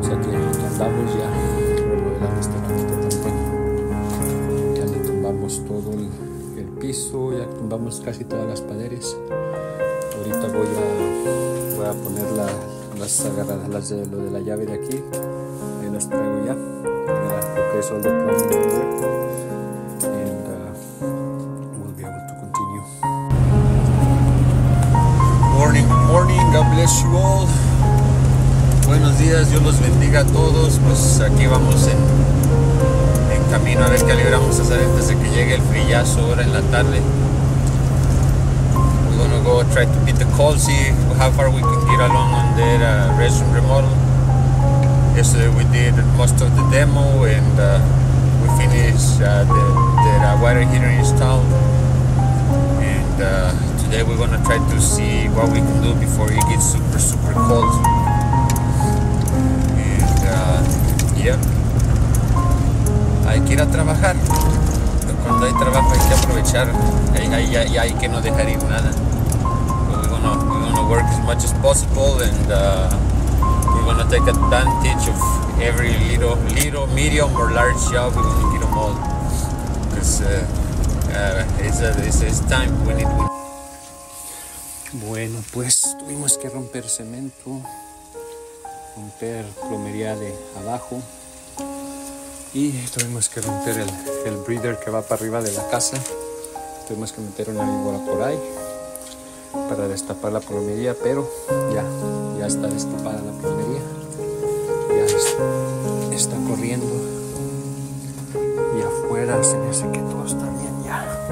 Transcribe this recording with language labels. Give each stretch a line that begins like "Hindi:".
Spanish: So que tumbamos ya, remodelar esta parte también. Ya le tumbamos todo el piso, ya tumbamos casi todas las paredes. Ahorita voy a poner la. Las agarradas las de lo de la llave de aquí, ahí las traigo ya.
English: Okay, so the plumbing will work and we'll be able to continue. Morning, morning, God bless you all.
Spanish: Buenos días, Dios los bendiga a todos. Pues aquí vamos en camino a ver qué alegramos hacer antes de que llegue el frillazo ahora en la tarde.
English: Gonna go try to beat the cold, see how far we can get along on that restroom remodel. Yesterday we did most of the demo and we finished the water heater installed. And today we're gonna try to see what we can do before it gets super super cold. And yeah,
Spanish: hay que ir a trabajar. Cuando hay trabajo hay que aprovechar. Hay que no dejar ir nada.
English: We're gonna work as much as possible, and we're gonna take advantage of every little, medium or large job. We're gonna get them all, because it's time we need.
Spanish: Bueno, pues tuvimos que romper cemento, romper plomería de abajo, y tuvimos que romper el breeder que va para arriba de la casa. Tuvimos que meter una víbora por ahí para destapar la plomería, pero ya está destapada la plomería, ya está corriendo, y afuera se me hace que todo está bien ya.